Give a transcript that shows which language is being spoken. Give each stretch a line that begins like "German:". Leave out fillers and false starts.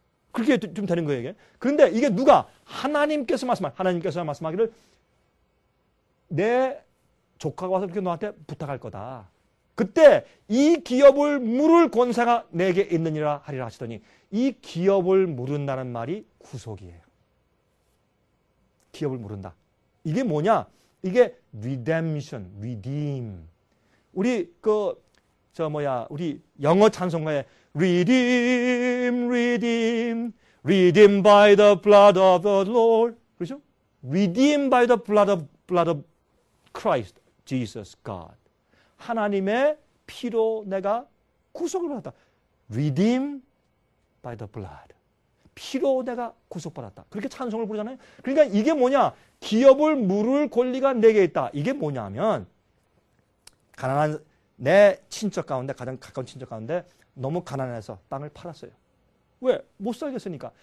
Korean: 그렇게 좀 되는 거예요, 이게. 그런데 이게 누가? 하나님께서 말씀하기를 내 조카가 와서 이렇게 너한테 부탁할 거다. 그때 이 기업을 물을 권세가 내게 있느니라 하리라 하시더니 이 기업을 물은다는 말이 구속이에요. 기업을 물은다. 이게 뭐냐? 이게 redemption, redeem. 우리 그 저 뭐야? 우리 영어 찬송가에
English: redeem, redeem, redeem by the blood of the Lord.
Korean: 그렇죠?
English: redeem by the blood of Christ, Jesus God.
Korean: 하나님의 피로 내가 구속을 받았다.
English: Redeem by the blood.
Korean: 피로 내가 구속받았다. 그렇게 찬송을 부르잖아요. 그러니까 이게 뭐냐? 기업을 물을 권리가 내게 있다. 이게 뭐냐 하면, 가난한 내 친척 가운데, 가장 가까운 친척 가운데 너무 가난해서 땅을 팔았어요. 왜? 못 살겠으니까.